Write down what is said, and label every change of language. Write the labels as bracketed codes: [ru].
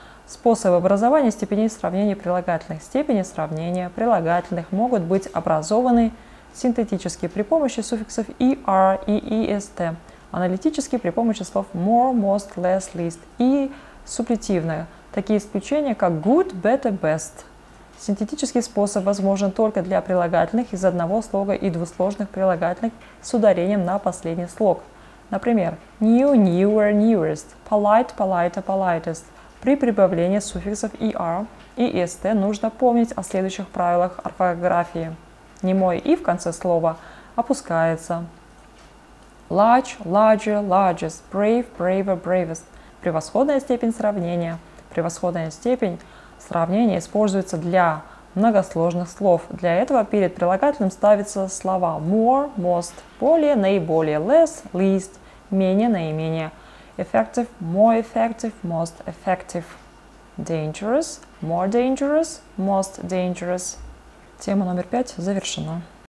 [ru] Способы образования степеней сравнения прилагательных. Степени сравнения прилагательных могут быть образованы синтетически при помощи суффиксов er и est, аналитически при помощи слов more, most, less, least и супплетивно, такие исключения как good, better, best. Синтетический способ возможен только для прилагательных из одного слога и двусложных прилагательных с ударением на последний слог. [en] Например, new, newer, newest, polite, politer, politest. [ru] При прибавлении суффиксов er и st нужно помнить о следующих правилах орфографии. Немое и в конце слова опускается. [en] Large, larger, largest, brave, braver, bravest. [ru] Превосходная степень сравнения. Превосходная степень сравнение используется для многосложных слов. Для этого перед прилагательным ставятся слова more, most, более, наиболее, less, least, менее, наименее, [en] effective, more effective, most effective, dangerous, more dangerous, most dangerous. [ru] Тема номер 5 завершена.